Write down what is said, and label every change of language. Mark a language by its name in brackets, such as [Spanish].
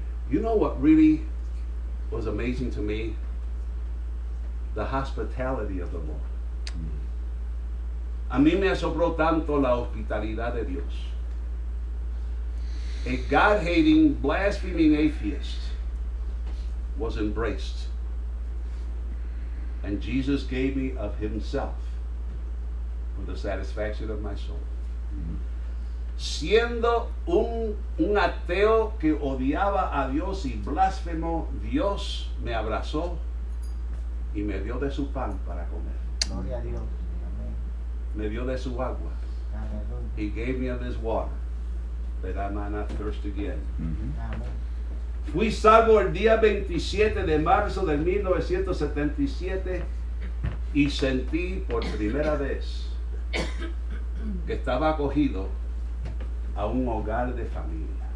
[English] You know what really was amazing to me the hospitality of the Lord. [Spanish] A mí me asombró tanto la hospitalidad de Dios. [English] A God-hating, blaspheming atheist was embraced. And Jesus gave me of himself for the satisfaction of my soul. [Spanish] Siendo un ateo que odiaba a Dios y blasfemo, Dios me abrazó y me dio de su pan para comer. Gloria a Dios. Me dio de su agua. [English] He gave me of his water that I might not thirst again. [Spanish] Fui salvo el día 27 de marzo del 1977 y sentí por primera vez que estaba acogido a un hogar de familia.